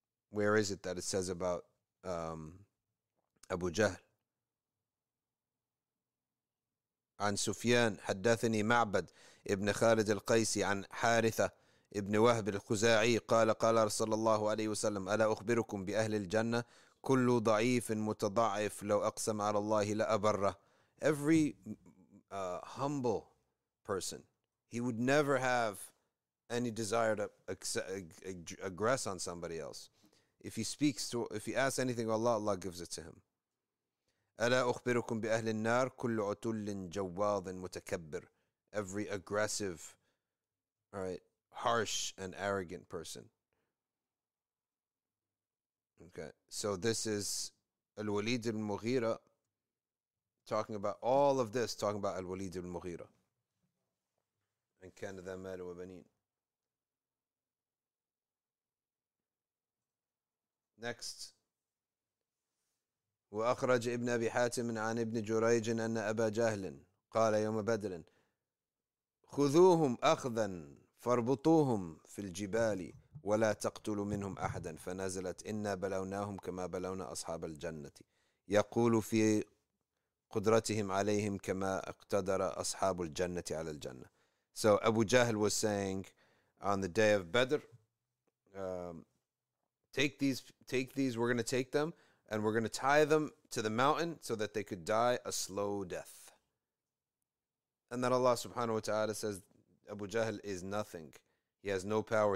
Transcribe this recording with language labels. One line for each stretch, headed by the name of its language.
English: Where is it that it says about Abu Jahl?
Arabic: عن سفيان حدثني معبد ابن خالد القيسي عن حارثة ابن وهب الخزاعي قال قال رسول الله عليه وسلم ألا أخبركم بأهل الجنة كل ضعيف متضعف لو أقسم على الله لأبره.
English: Every humble person, he would never have any desire to aggress on somebody else. If he speaks to, if he asks anything of Allah, Allah gives it to him.
Arabic: ألا أخبركم بأهل النار كل عتل جواظ متكبر.
English: Every aggressive, all right, harsh and arrogant person. Okay, so this is Al-Walid al-Mughira talking about all of this, talking about Al-Walid al-Mughira.
Arabic: And كان ذا مال وبنين.
English: Next.
Arabic: وأخرج ابن أبي حاتم عن ابن جريج أن أبا جهل قال يوم بدر خذوهم أخذا فاربطوهم في الجبال ولا تقتلوا منهم أحدا فنزلت إنا بلوناهم كما بلونا أصحاب الجنة يقول في قدرتهم عليهم كما اقتدر أصحاب الجنة على الجنة.
English: So Abu Jahl was saying on the day of Badr, take these, we're going to take them and we're going to tie them to the mountain so that they could die a slow death. And then Allah subhanahu wa ta'ala says, Abu Jahl is nothing. He has no power.